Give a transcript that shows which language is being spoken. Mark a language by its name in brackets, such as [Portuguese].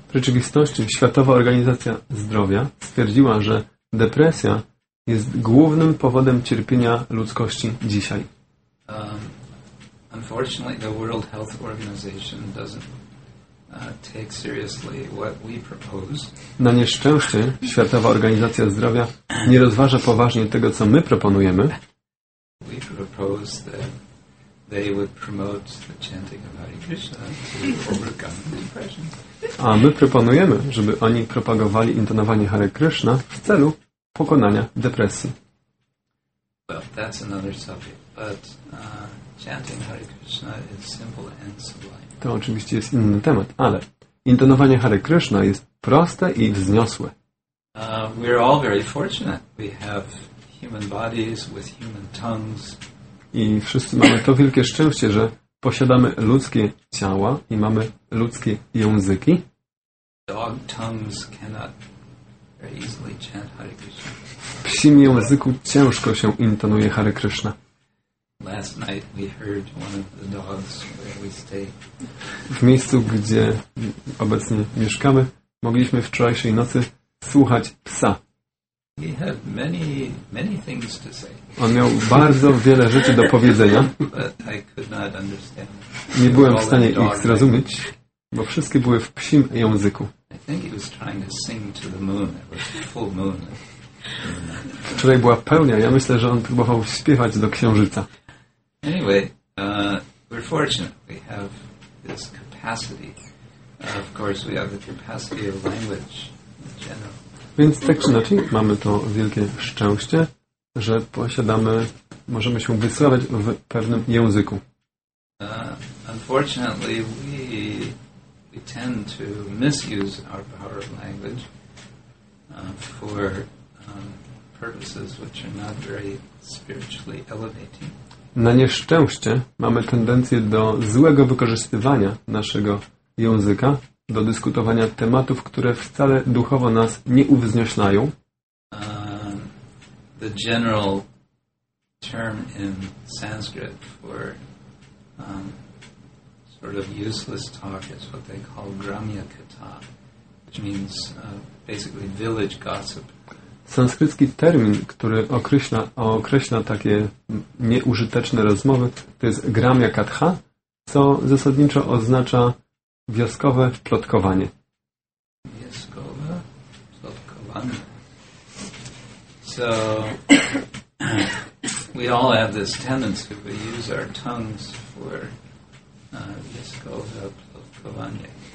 [Polish] W rzeczywistości Światowa Organizacja Zdrowia stwierdziła, że depresja jest głównym powodem cierpienia ludzkości dzisiaj. [English] Unfortunately, the World Health Organization doesn't take seriously what we propose. [Polish] Na nieszczęście Światowa Organizacja Zdrowia nie rozważa poważnie tego, co my proponujemy. [English] We propose that they would promote the chanting of Hare Krishna to overcome depression. [Polish] A my proponujemy, żeby oni propagowali intonowanie Hare Krishna w celu pokonania depresji. [English] Well, that's another subject, but chanting Hare Krishna is simple and sublime. [Polish] To oczywiście jest inny temat, ale intonowanie Hare Krishna jest proste i wzniosłe. [English] We're all very fortunate. We have human bodies with human tongues. [Polish] I wszyscy mamy to wielkie szczęście, że posiadamy ludzkie ciała i mamy ludzkie języki. [English] Dog tongues cannot very easily chant Hare Krishna. [Polish] Psim języku ciężko się intonuje Hare Krishna. [English] Last night we heard one of the dogs where we stay. [Polish] W miejscu, gdzie obecnie mieszkamy, mogliśmy wczorajszej nocy słuchać psa. [English] He had many, many things to say. [Polish] On miał bardzo wiele rzeczy do powiedzenia. [English] But I could not understand. [Polish] Nie byłem w stanie ich zrozumieć, bo wszystkie były w psim języku. [English] I think he was trying to sing to the moon. It was full moon. [Polish] Wczoraj była pełnia. Ja myślę, że on próbował śpiewać do księżyca. [English] Anyway, we're fortunate. We have this capacity. Of course, we have the capacity of language in general. [Polish] Więc tak czy inaczej, mamy to wielkie szczęście, że posiadamy, możemy się wysławiać w pewnym języku. [English] Unfortunately, we tend to misuse our power of language for purposes which are not very spiritually elevating. [Polish] Na nieszczęście mamy tendencję do złego wykorzystywania naszego języka do dyskutowania tematów, które wcale duchowo nas nie uwznoślają. [English] The general term in Sanskrit for sort of useless talk is what they call gramya katha, which means basically village gossip. [Polish] Sanskrycki termin, który określa takie nieużyteczne rozmowy, to jest gramya katha, co zasadniczo oznacza wioskowe plotkowanie. Wioskowe plotkowanie. [English] So we all have this tendency to use our tongues for [Polish] wioskowe plotkowanie.